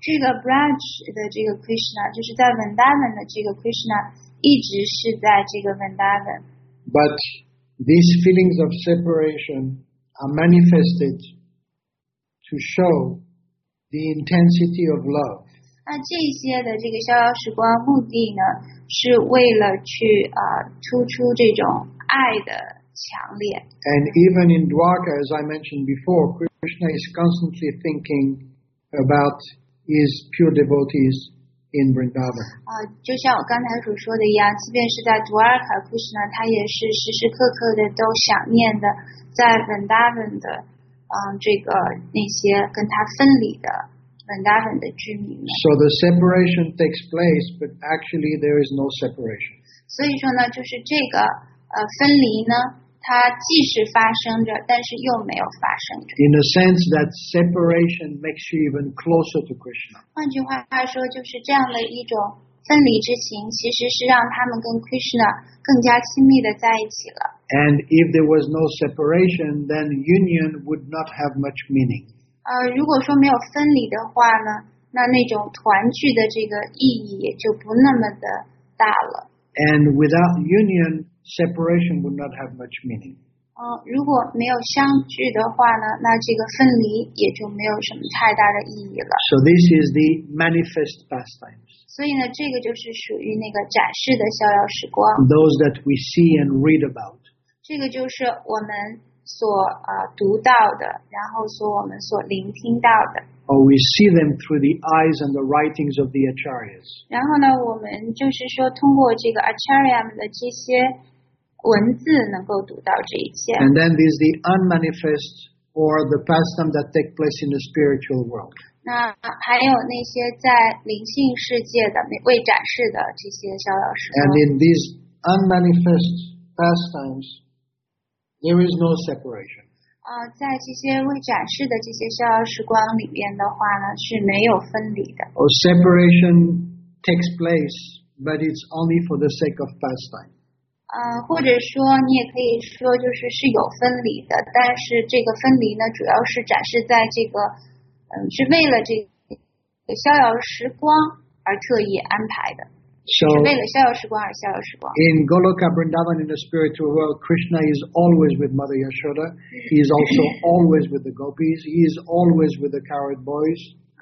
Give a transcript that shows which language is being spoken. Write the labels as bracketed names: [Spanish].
[Chinese] 这个 Braj 的这个 Krishna 就是在 Vrindavan 的这个 Krishna 一直是在这个 Vrindavan [English] But these feelings of separationare manifested to show the intensity of love. [Chinese] 那这些的这个逍遥时光目的呢，是为了去突出这种爱的强烈。 [English] And even in Dwarka, as I mentioned before, Krishna is constantly thinking about his pure devotees in Vrindavan. [Chinese] 就像我刚才所说的一样，即便是在 Dwarka, Krishna 他也是时时刻刻的都想念的。在 Vrindavan 的这个那些跟他分离的 Vrindavan 的居民们。 [English] So the separation takes place, but actually there is no separation. [Chinese] 所以说呢，就是这个分离呢，它既是发生着，但是又没有发生着。 [English] In a sense that separation makes you even closer to Krishna. [Chinese] 换句话说，就是这样的一种分离之情，其实是让他们跟 Krishna 更加亲密的在一起了。 [English] And if there was no separation, then union would not have much meaning. [Chinese] 如果说没有分离的话呢，那那种团聚的这个意义也就不那么的大了。 [English] And without union, separation would not have much meaning. [Chinese] 如果没有相聚的话呢，那这个分离也就没有什么太大的意义了。 [English] So this is the manifest pastimes. [Chinese] 所以呢，这个就是属于那个展示的逍遥时光。 [English] Those that we see and read about. [Chinese] 这个就是我们所读到的，然后说我们所聆听到的。 [English] Or we see them through the eyes and the writings of the acharyas. [Chinese] 然后呢，我们就是说通过这个 acharya 们的这些文字能够读到这一切。 [English] And then there's the unmanifest or the pastime that take place in the spiritual world. [Chinese] 那还有那些在灵性世界的未展示的这些逍遥时光。 [English] And in these unmanifest pastimes, there is no separation. [Chinese] 在这些未展示的这些逍遥时光里面的话呢，是没有分离的。 [English] Or separation takes place, but it's only for the sake of pastime. [Chinese] 或者说你也可以说就是是有分离的，但是这个分离呢，主要是展示在这个。是为了这个逍遥时光而特意安排的 [English] so, [Chinese] 是为了逍遥时光而逍遥时光 [English] In Goloka Vrindavan in the spiritual world Krishna is always with Mother Yashoda He is also always with the gopis He is always with the cowherd boys